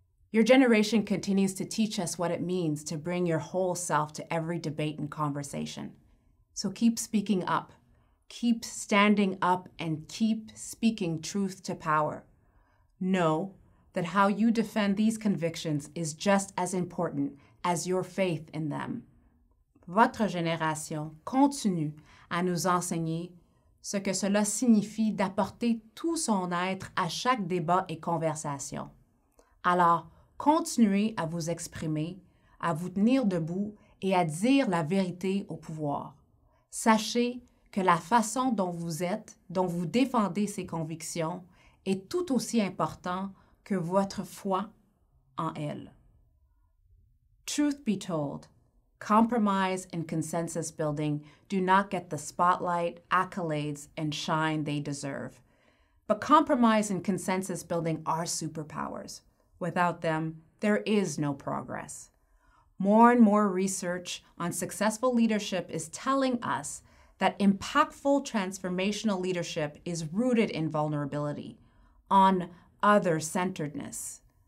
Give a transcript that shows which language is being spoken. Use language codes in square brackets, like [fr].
[en] Your generation continues to teach us what it means to bring your whole self to every debate and conversation. So keep speaking up, keep standing up, and keep speaking truth to power. Know that how you defend these convictions is just as important as your faith in them. [fr] Votre génération continue à nous enseigner ce que cela signifie d'apporter tout son être à chaque débat et conversation. Alors, continuez à vous exprimer, à vous tenir debout et à dire la vérité au pouvoir. Sachez que que la façon dont vous êtes, dont vous défendez ces convictions, est tout aussi important que votre foi en elles. [en] Truth be told, compromise and consensus building do not get the spotlight, accolades, and shine they deserve. But compromise and consensus building are superpowers. Without them, there is no progress. More and more research on successful leadership is telling us that impactful transformational leadership is rooted in vulnerability, on other-centeredness.